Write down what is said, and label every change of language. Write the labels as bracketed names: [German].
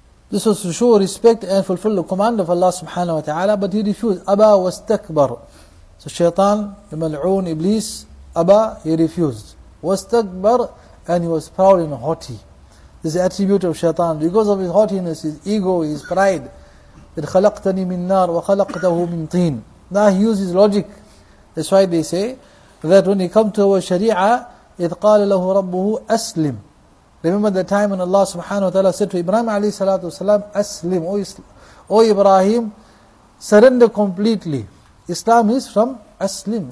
[English] This was to show respect and fulfill the command of Allah subhanahu wa ta'ala, but he refused. Aba wastakbar. So shaitan, the mal'oon, iblis, aba, he refused. Wastakbar, and he was proud and haughty. This is the attribute of shaitan. Because of his haughtiness, his ego, his pride. [Arabic] That خَلَقْتَنِي مِن نَار وَخَلَقْتَهُ مِن طِين. [English] Now he uses logic. That's why they say that when he comes to our sharia, [Arabic] إِذْ قَالَ لَهُ رَبُّهُ أَسْلِمْ. [English] Remember the time when Allah subhanahu wa ta'ala said to Ibrahim alayhi salatu wasalam, أَسْلِمْ. O Ibrahim, surrender completely. Islam is from أَسْلِمْ.